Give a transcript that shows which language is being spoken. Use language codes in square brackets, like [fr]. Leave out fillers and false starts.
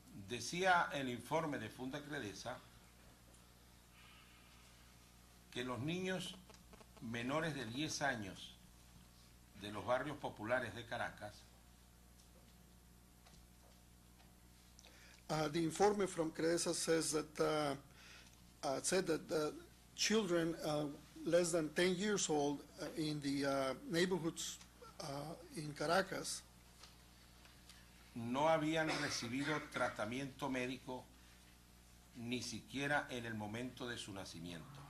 [es] Decía el informe de Fundacredesa que los niños menores de 10 años de los barrios populares de Caracas. [en] The informe from Credesa says that said that the children less than 10 years old in the neighborhoods in Caracas [es] no habían recibido tratamiento médico ni siquiera en el momento de su nacimiento.